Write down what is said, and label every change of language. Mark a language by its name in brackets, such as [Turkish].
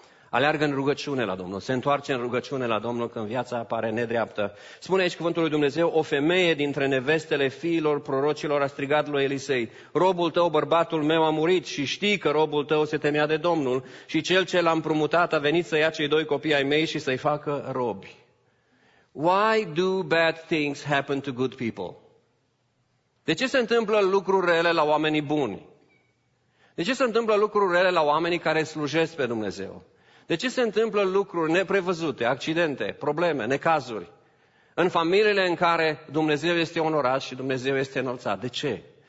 [Romanian] Aleargă în rugăciune la Domnul, se întoarce în rugăciune la Domnul când viața pare nedreaptă. Spune aici cuvântul lui Dumnezeu: o femeie dintre nevestele fiilor prorocilor a strigat lui Elisei: robul tău, bărbatul meu, a murit și știi că robul tău se temea de Domnul și cel ce l-a împrumutat a venit să ia cei doi copii ai mei și să-i facă robi. [English] Why do bad things happen to good people? [Romanian] De ce se întâmplă lucruri rele la oamenii buni? De ce se întâmplă lucruri rele la oamenii care slujesc pe Dumnezeu? De ce se întâmplă lucruri neprevăzute, accidente, probleme, necazuri? În familiile în care Dumnezeu este onorat și Dumnezeu este înălțat. De ce?